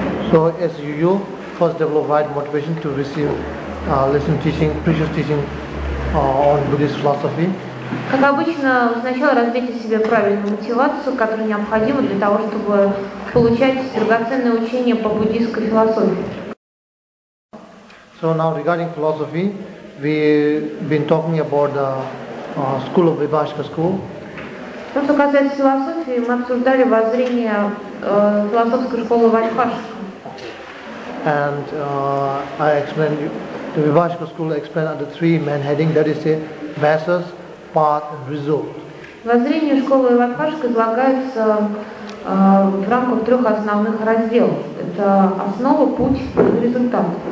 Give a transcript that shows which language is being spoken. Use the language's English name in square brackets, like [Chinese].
[English] So as you first developed motivation to receive lesson teaching, precious teaching on Buddhist philosophy. [Russian] Как обычно, сначала развейте себе правильную мотивацию, которая необходима для того, чтобы получать драгоценное учение по буддийской философии. [English] So now regarding philosophy, we've been talking about the school of Vibhashika school. [Russian] То, что касается философии, мы обсуждали воззрение философской школы Вайбхашика. [English] And I explained the Vibhashika school explained under three main headings, that is say basis, path and result. [Russian] Воззрение школы Вайбхашика излагается в рамках трех основных разделов. Это основа, путь и результат.